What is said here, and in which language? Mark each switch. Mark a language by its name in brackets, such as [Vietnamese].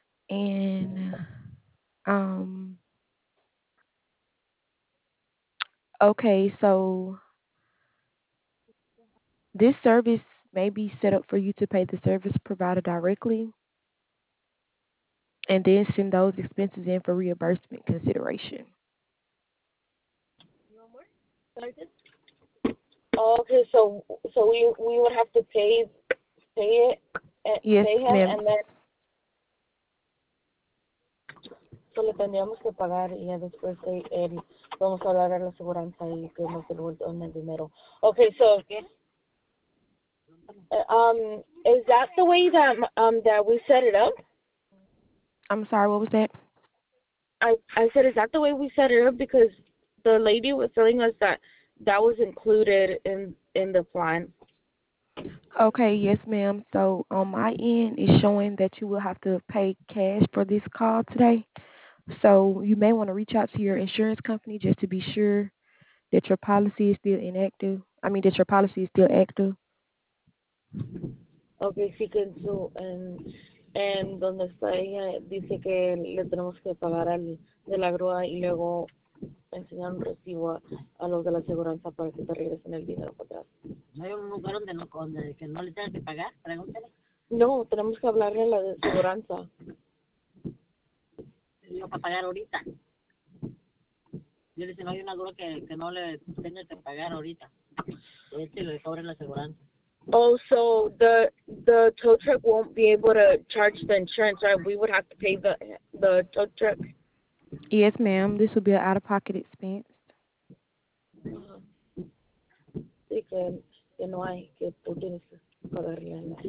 [English] And okay, so this service may be set up for you to pay the service provider directly and then send those expenses in for reimbursement consideration. Okay, so we would have to pay it. Yes, ma'am. [Spanish] Solo tendríamos que pagar y ya después vamos a hablar a la aseguranza y que nos devuelvan el dinero. [English] Okay, so is that the way that we set it up? I'm sorry, what was that? I said, is that the way we set it up? Because the lady was telling us that was included in the plan. Okay, yes, ma'am. So on my end, it's showing that you will have to pay cash for this call today. So you may want to reach out to your insurance company just to be sure that your policy is still inactive. I mean, that your policy is still active. [Spanish] Okay, sí, que eso, en donde está ella, dice que le tenemos que pagar al de la grúa y luego enseñar un recibo a los de la aseguranza para que te regresen el dinero para atrás. ¿No hay un lugar donde no le tengan que pagar? Pregúntale. No, tenemos que hablarle a la aseguranza. ¿Yo para pagar ahorita? Yo le dije, no hay una grúa que no le tenga que pagar ahorita. Este le cobre la aseguranza. [English] Oh, so the tow truck won't be able to charge the insurance, right? We would have to pay the tow truck. Yes, ma'am. This would be an out-of-pocket expense. [Spanish] que no hay, que tú tienes que pagarle.